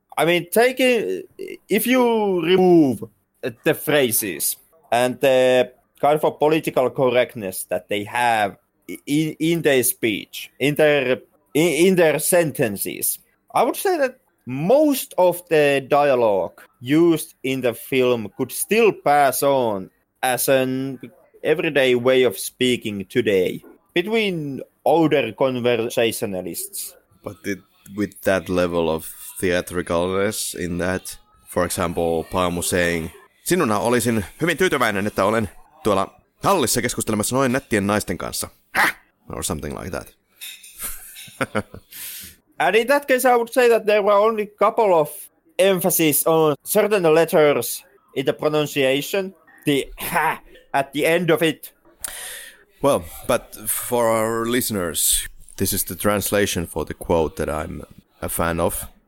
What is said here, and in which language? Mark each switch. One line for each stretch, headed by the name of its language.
English: I mean, if you remove the phrases and the kind of a political correctness that they have in their speech, in their sentences, I would say that most of the dialogue used in the film could still pass on as an everyday way of speaking today between older conversationalists. But with that level of theatricalness in that, for example, Palmu saying,
Finnish: sinuna olisin hyvin tyytyväinen, että olen tuolla hallissa keskustelemassa noin nättien naisten kanssa.
English: Ha! Or something like that. And in that case, I would say that there were only a couple of emphasis on certain letters in the pronunciation, the ha at the end of it. Well, but for our listeners, this is the translation for the quote that I'm a fan of.